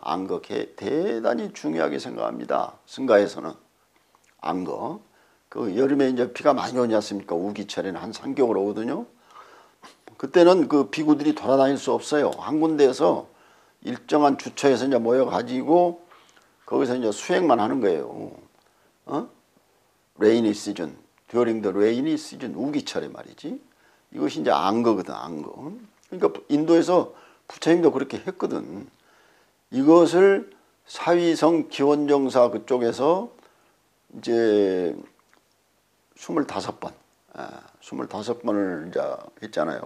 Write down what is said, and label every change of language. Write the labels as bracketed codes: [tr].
[ko] 안거 대단히 중요하게 생각합니다. 승가에서는. 안거. 그 여름에 이제 비가 많이 오지 않습니까? 우기철에는 한 3개월 오거든요. 그때는 그 비구들이 돌아다닐 수 없어요. 한 군데에서 일정한 주처에서 이제 모여가지고 거기서 이제 수행만 하는 거예요. 레이니 시즌. [en] During the rainy season, [ko] 우기철에 말이지. 이것이 이제 안거거든, 안거. 그러니까 인도에서 부처님도 그렇게 했거든. 이것을 사위성 기원정사 그쪽에서 이제 25번, 25번을 이제 했잖아요.